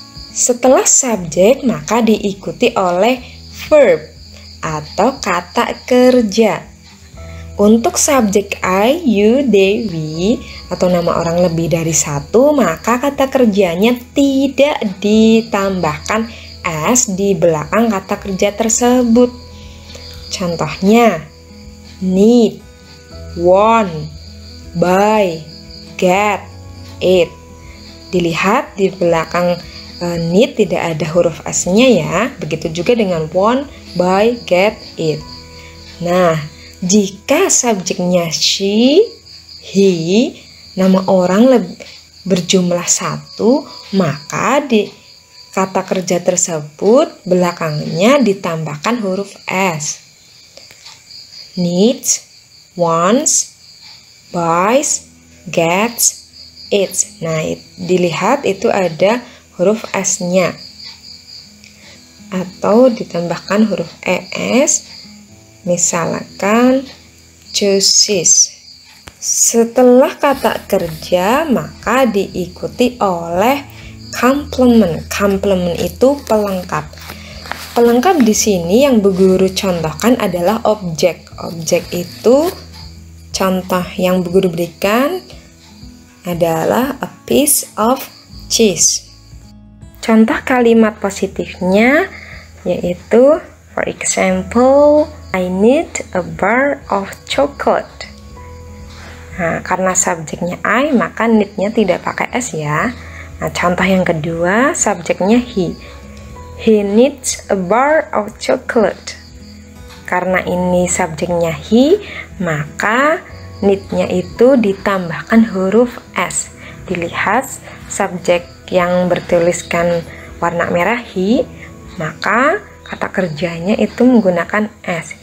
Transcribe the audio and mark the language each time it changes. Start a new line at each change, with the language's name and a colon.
Indonesian: Setelah subjek, maka diikuti oleh verb atau kata kerja. Untuk subjek I, you, they, we, atau nama orang lebih dari satu, maka kata kerjanya tidak ditambahkan S di belakang kata kerja tersebut. Contohnya, need, want, buy, get, eat. Dilihat di belakang need tidak ada huruf S-nya ya. Begitu juga dengan want, buy, get, eat. Nah, jika subjeknya she, he, nama orang berjumlah satu, maka di kata kerja tersebut belakangnya ditambahkan huruf S.
English: Needs, wants, buys, gets, eats.
Indonesian: Nah, dilihat itu ada huruf S-nya. Atau ditambahkan huruf ES, misalkan chooses. Setelah kata kerja, maka diikuti oleh complement. Complement itu pelengkap. Pelengkap di sini yang Bu Guru contohkan adalah objek. Objek itu, contoh yang Bu Guru berikan adalah a piece of cheese. Contoh kalimat positifnya yaitu,
English: for example, I need a bar of chocolate.
Indonesian: Nah, karena subjeknya I, maka need-nya tidak pakai S ya. Nah, contoh yang kedua, subjeknya he.
English: He needs a bar of chocolate.
Indonesian: Karena ini subjeknya he, maka need-nya itu ditambahkan huruf S. Dilihat subjek yang bertuliskan warna merah he, maka kata kerjanya itu menggunakan S.